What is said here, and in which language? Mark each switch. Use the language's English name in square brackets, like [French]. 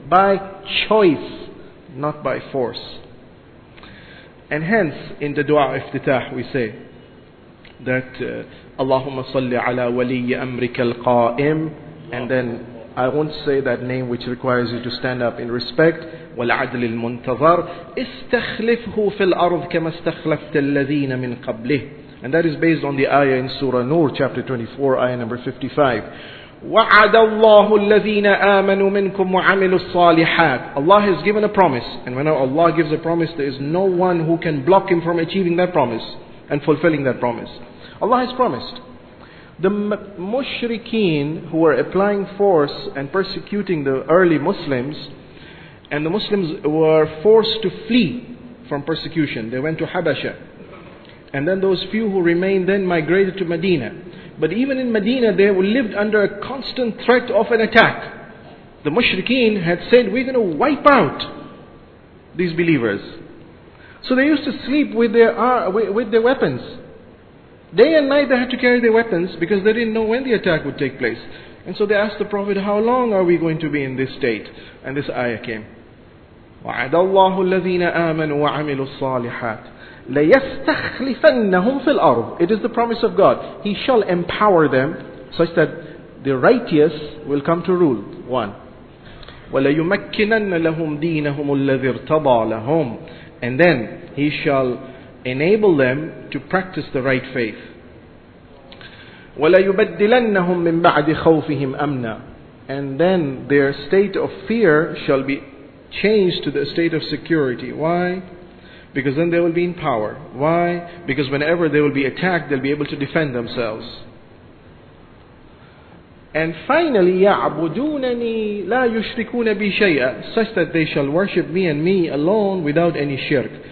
[English] By choice, not by force. And hence, in the dua iftitah, we say that [Arabic] Allahumma salli ala waliyya amrika al-qa'im, [English] and then I won't say that name which requires you to stand up in respect. [Arabic] والعدل المنتظر استخلفه في الأرض كما استخلفت الذين من قبله. [English] And that is based on the ayah in Surah Nur, chapter 24, ayah number 55. [Arabic] وعد الله الذين آمنوا منكم وعملوا الصالحات. [English] Allah has given a promise, and when Allah gives a promise, there is no one who can block him from achieving that promise and fulfilling that promise. Allah has promised. The mushrikeen who were applying force and persecuting the early Muslims, and the Muslims were forced to flee from persecution. They went to Habasha. And then those few who remained then migrated to Medina. But even in Medina, they lived under a constant threat of an attack. The mushrikeen had said, we're going to wipe out these believers. So they used to sleep with their weapons. Day and night they had to carry their weapons, because they didn't know when the attack would take place. And so they asked the Prophet, how long are we going to be in this state? And this ayah came. [Arabic] وعد الله الذين آمنوا وعملوا الصالحات ليستخلفنهم في الأرض. [English] It is the promise of God. He shall empower them such that the righteous will come to rule. One. [Arabic] وليمكنن لهم دينهم الذي ارتضى لهم. [English] And then he shall enable them to practice the right faith. [Arabic] وليبدلنهم من بعد خوفهم أمنا. [English] And then their state of fear shall be changed to the state of security. Why? Because then they will be in power. Why? Because whenever they will be attacked, they'll be able to defend themselves. And finally, [Arabic] يَعْبُدُونَنِي لَا يُشْرِكُونَ بِي شَيْئًا, [English] such that they shall worship me and me alone without any shirk.